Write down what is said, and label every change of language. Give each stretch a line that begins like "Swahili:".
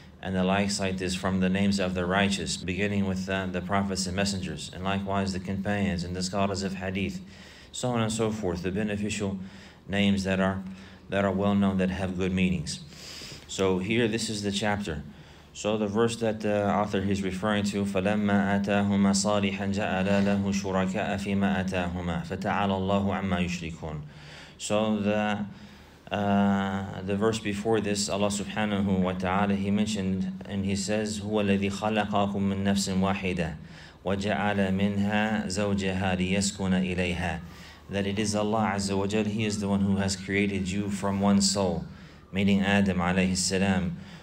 English: And the likes like this from the names of the righteous, beginning with the prophets and messengers, and likewise the companions and the scholars of hadith, so on and so forth, the beneficial names that are well-known, that have good meanings. So here, this is the chapter. So the verse that the author is referring to,
Arabic: فَلَمَّا آتَاهُمَا صَالِحًا جَعَلَ لَهُ شُرَكَاءَ فِيمَا آتَاهُمَا فَتَعَالَ اللَّهُ عَمَّا يُشْرِكُونَ
English: So the The verse before this, Allah subhanahu wa ta'ala, He mentioned, and He says,
Arabic: هُوَ الَّذِي خَلَقَكُم مِّن نَفْسٍ وَاحِدَةٍ وَجَعَلَ مِنْهَا زَوْجَهَا لِيَسْكُنَ إِلَيْهَا.
English: That it is Allah Azza wa Jal, He is the one who has created you from one soul, meaning Adam alayhi salam.